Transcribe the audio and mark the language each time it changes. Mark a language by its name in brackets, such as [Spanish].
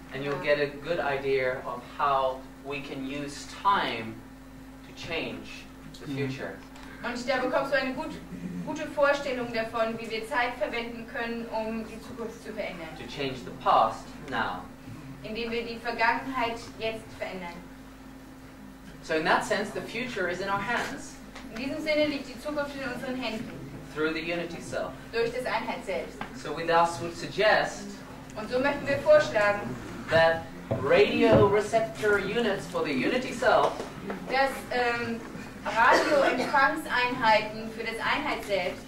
[English] And you'll get a good idea of how we can use time to change the future. [German] Und da bekommst du eine gute Vorstellung davon, wie wir Zeit verwenden können, um die Zukunft zu verändern. [English] To change the past now. [German] Indem wir die Vergangenheit jetzt verändern. [English] So in that sense, the future is in our hands. [German] In diesem Sinne liegt die Zukunft in unseren Händen. [English] Through the unity self. [German] Durch das Einheitsselbst. [English] So we thus would suggest. [German] Und so möchten wir vorschlagen. [English] That radio receptor units for the unity self. [German] Das Radioempfangseinheiten für das Einheitsselbst.